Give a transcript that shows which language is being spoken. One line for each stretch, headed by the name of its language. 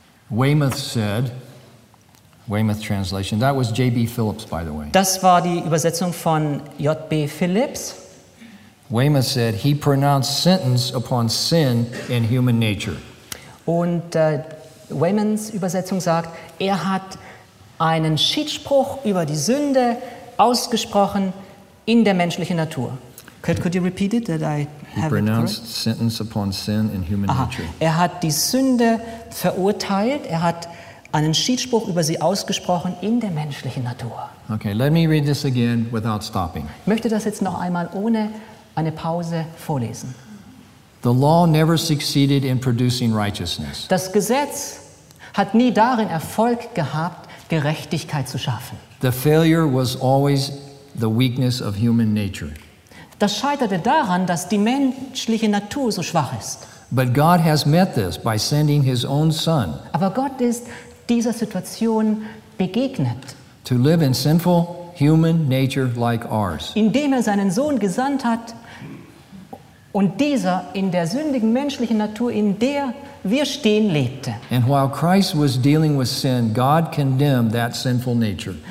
English: Weymouth said, Weymouth translation, that was J.B. Phillips, by the way.
German: Das war die Übersetzung von J.B. Phillips.
English: Weymouth said, he pronounced sentence upon sin in human nature.
German: Und Weymouths Übersetzung sagt, er hat einen Schiedsspruch über die Sünde ausgesprochen in der menschlichen Natur.
English: Could you repeat it? That I have he pronounced it sentence upon sin in human Aha. nature.
German: Er hat die Sünde verurteilt, er hat einen Schiedsspruch über sie ausgesprochen in der menschlichen Natur.
English: Okay, let me read this again without stopping.
German: Ich möchte das jetzt noch einmal ohne eine Pause vorlesen.
English: The law never succeeded in producing righteousness.
German: Das Gesetz hat nie darin Erfolg gehabt, Gerechtigkeit zu schaffen.
English: The failure was always the weakness of human nature.
German: Das scheiterte daran, dass die menschliche Natur so schwach ist.
English: But God has met this by sending his own son.
German: Aber Gott ist dieser Situation begegnet.
English: To live in sinful human nature like ours.
German: Indem er seinen Sohn gesandt hat und dieser in der sündigen menschlichen Natur, in der wir stehen, lebte.
English: And while Christ was dealing with sin, God condemned that sinful nature.